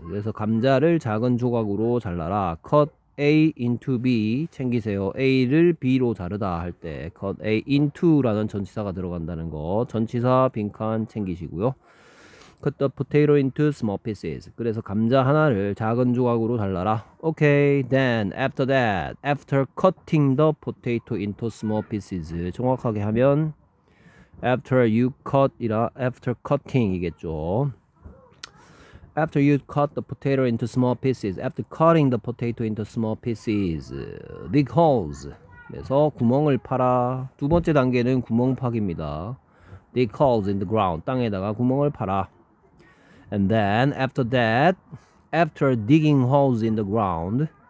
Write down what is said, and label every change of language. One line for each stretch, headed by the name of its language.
Korean: 그래서 감자를 작은 조각으로 잘라라.
English: Cut A into B.
Korean: 챙기세요. A를 B로 자르다 할 때.
English: Cut A into
Korean: 라는 전치사가 들어간다는 거. 전치사 빈칸 챙기시고요.
English: Cut the potato into small pieces.
Korean: 그래서 감자 하나를 작은 조각으로 잘라라.
English: Okay, then after that, after cutting the potato into small pieces.
Korean: 정확하게 하면
English: after you cut이라 after cutting이겠죠. After you cut the potato into small pieces. After cutting the potato into small pieces. Dig holes.
Korean: 그래서 구멍을 파라. 두 번째 단계는 구멍 파기입니다.
English: Dig holes in the ground.
Korean: 땅에다가 구멍을 파라.
English: And then, after that, after digging holes in the ground.